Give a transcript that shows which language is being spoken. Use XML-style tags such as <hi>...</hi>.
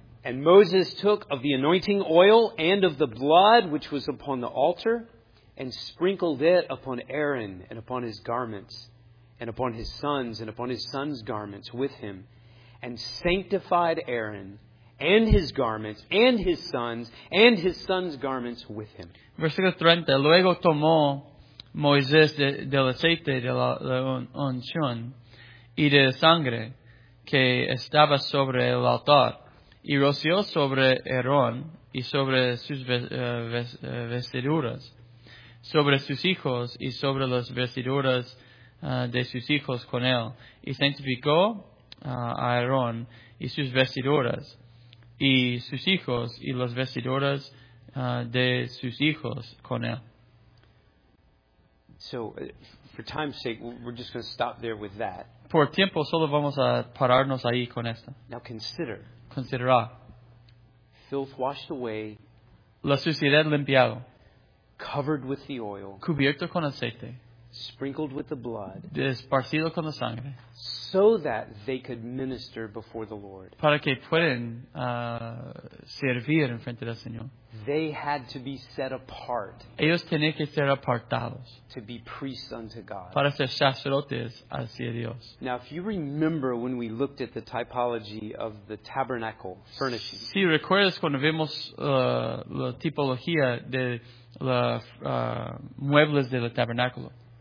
<en>And Moses took of the anointing oil and of the blood which was upon the altar and sprinkled it upon Aaron and upon his garments and upon his sons' garments with him and sanctified Aaron and his garments and his sons' garments with him.</en> <es>Versículo 30. Luego tomó Moisés del aceite de la unción y de sangre que estaba sobre el altar. Y roció sobre Aarón y sobre sus vestiduras, sobre sus hijos y sobre las vestiduras de sus hijos con él. Y sanctificó a Aarón y sus vestiduras y sus hijos y las vestiduras de sus hijos con él.</es> <en>So, for time's sake, we're just going to stop there with that.</en> <es>Por tiempo, solo vamos a pararnos ahí con esto.</es> <en>Now consider.</en> <es>Considera.</es> <en>Filth washed away.</en> <es>La suciedad limpiado.</es> <en>Covered with the oil.</en> <es>Cubierto con aceite.</es> <en>Sprinkled with the blood.</en> <es>Esparcido con la sangre.</es> <en>So that they could minister before the Lord.</en> <es>Para que puedan servir en frente del Señor.</es> <en>They had to be set apart.</en> <es>Ellos tenían que ser apartados.</es> <en>To be priests unto God.</en> <es>Para ser sacerdotes hacia Dios.</es> <en>Now, if you remember when we looked at the typology of the tabernacle furnishing.</en> <es>Si recuerdas cuando vimos la tipología de los muebles del tabernáculo.</es>